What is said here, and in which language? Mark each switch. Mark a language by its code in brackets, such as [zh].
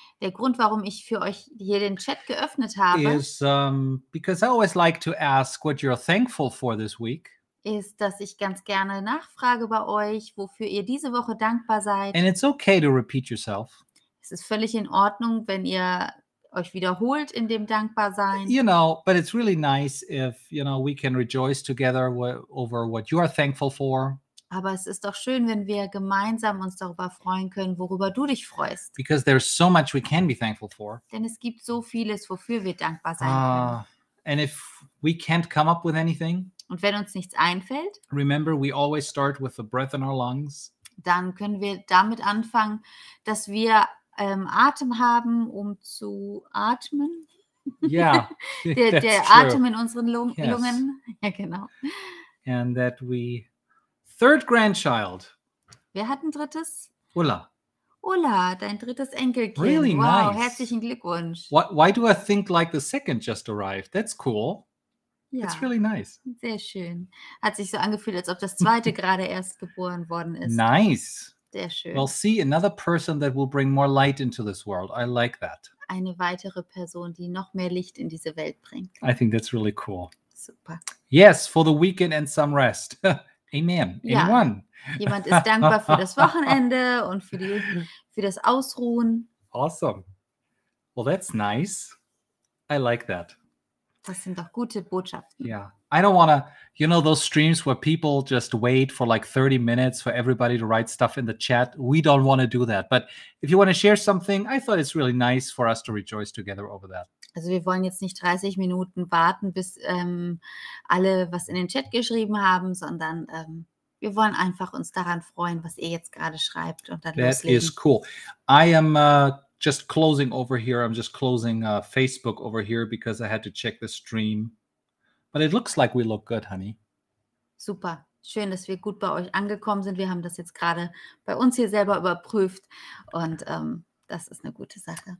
[de] Der Grund, warum ich für euch hier den Chat geöffnet habe. [en] Is because I always like to ask what you're thankful for this week. [de] Ist, dass ich ganz gerne nachfrage bei euch, wofür ihr diese Woche dankbar seid. [en] And it's okay to repeat yourself. [de] Es ist völlig in Ordnung, wenn ihr euch wiederholt in dem Dankbarsein. [en] You know, but it's really nice if, you know, we can rejoice together over what you are thankful for. [de] Aber es ist doch schön, wenn wir gemeinsam uns darüber freuen können, worüber du dich freust. [en] Because there's so much we can be thankful for. [de] Denn es gibt so vieles, wofür wir dankbar sein können. [en] And if we can't come up with anything. [de] Und wenn uns nichts einfällt. [en] Remember, we always start with the breath in our lungs. [de] Dann können wir damit anfangen, dass wir Atem haben, um zu atmen. Ja, [en] yeah, that's der true. [de] Atem in unseren Lungen. [en] Yes. [de] Ja, genau. [en] And that we... Third grandchild. [de] Wer hat ein drittes? Ulla. Ulla, dein drittes Enkelkind. [en] Really wow, nice. [de] Herzlichen Glückwunsch. [en] Why do I think like the second just arrived? That's cool. Yeah. That's really nice. [de] Sehr schön. Hat sich so angefühlt, als ob das zweite gerade erst geboren worden ist. [en] Nice. [de] Sehr schön. [en] Well, see, another person that will bring more light into this world. I like that. [de] Eine weitere Person, die noch mehr Licht in diese Welt bringt. [en] I think that's really cool. [de] Super. [en] Yes, for the weekend and some rest. Amen. [de] Ja. [en] Anyone? [de] Jemand ist dankbar für das Wochenende und für das Ausruhen. [en] Awesome. Well, that's nice. I like that. [de] Das sind doch gute Botschaften. [en] Yeah. I don't want to, you know, those streams where people just wait for like 30 minutes for everybody to write stuff in the chat. We don't want to do that. But if you want to share something, I thought it's really nice for us to rejoice together over that. [de] Also wir wollen jetzt nicht 30 Minuten warten, bis alle was in den Chat geschrieben haben, sondern wir wollen einfach uns daran freuen, was ihr jetzt gerade schreibt und dann [en] that [de] loslegen. [en] Is cool. I am just closing over here. I'm just closing Facebook over here because I had to check the stream. But it looks like we look good, honey. [de] Super. Schön, dass wir gut bei euch angekommen sind. Wir haben das jetzt gerade bei uns hier selber überprüft und das ist eine gute Sache.